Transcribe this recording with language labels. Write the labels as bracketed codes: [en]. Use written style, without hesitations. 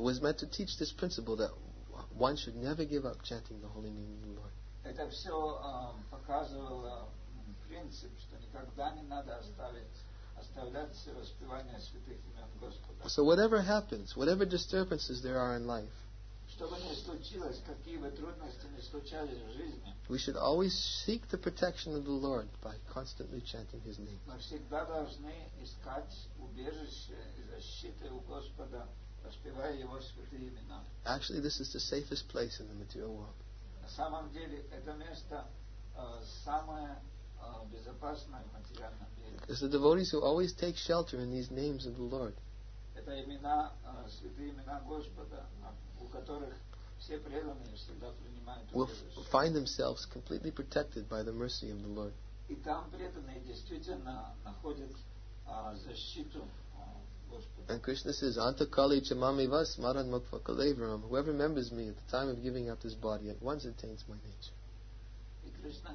[en] was meant to teach this principle that one should never give up chanting the holy name of the Lord. [ru] Это все показывало принцип, что никогда не надо оставлять воспевание святых имен Господа. [en] So whatever happens, whatever disturbances there are in life, [ru] чтобы не случилось, какие бы трудности не случались в жизни, [en] we should always seek the protection of the Lord by constantly chanting His name. [ru] Мы всегда должны искать убежище и защиты у Господа, воспевая Его святые имена. [en] Actually, this is the safest place in the material world. [ru] На самом деле, это место самое безопасное в материальном мире. [en] It's the devotees who always take shelter in these names of the Lord. [ru] Это имена, святые имена Господа, у которых все преданные всегда принимают убежище. [en] Will find themselves completely protected by the mercy of the Lord. [ru] И там преданные действительно находят защиту. [en] And Krishna says, [sa] Antakali Chamami Vas Maran Mukva Kalevaram, [en] whoever remembers me at the time of giving up this body at once attains my nature.